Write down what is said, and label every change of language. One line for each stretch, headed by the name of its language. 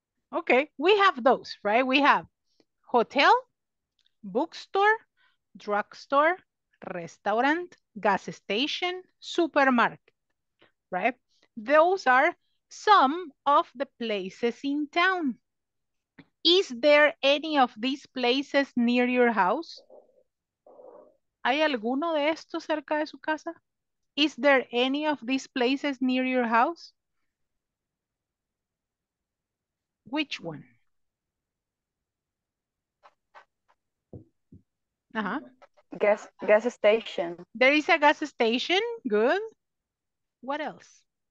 English: Okay, we have those, right? We have hotel, bookstore, drugstore, restaurant, gas station, supermarket, right? Those are some of the places in town. Is there any of these places near your house?
Spanish: ¿Hay alguno de estos cerca de su casa?
English: Is there any of these places near your house? Which one? Uh-huh. Gas station. There is a gas station. Good. What else?